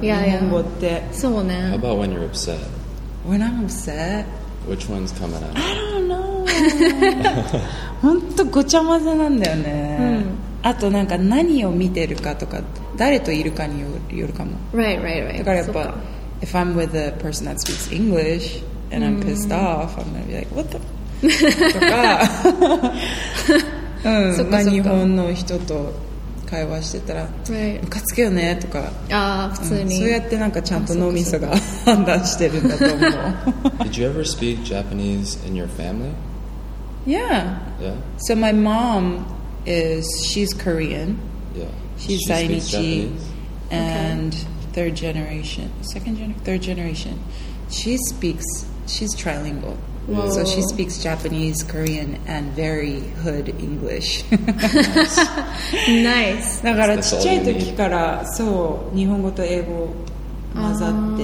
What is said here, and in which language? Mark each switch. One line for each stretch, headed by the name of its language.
Japanese: 日本語って。そうね。
English: How about when you're upset? When I'm upset? Which one's coming out? I don't know.
Japanese: 本当ごちゃ混ぜなんだよね。あとなんか何を見てるかとか、誰といるかによるかも。
English: Right, right, right.
Japanese: だからやっぱ、
English: if I'm with a person that speaks English and I'm pissed off, I'm gonna be like, what the?
Japanese: とか、日本の人と会話してたら、ムカつくよねとか、ああ普通に、そうやってなんかちゃんと脳みそが判断してるんだと思う。
English: Did you ever speak Japanese in your family? Yeah. Yeah. So my mom is, she's Korean. Yeah. She's Zainichi. And third generation. Second generation? Third generation. She's trilingual. Whoa. So she speaks Japanese, Korean, and very hood English. Nice.
Japanese: だからちっちゃい時からそう、日本語と英語混ざって。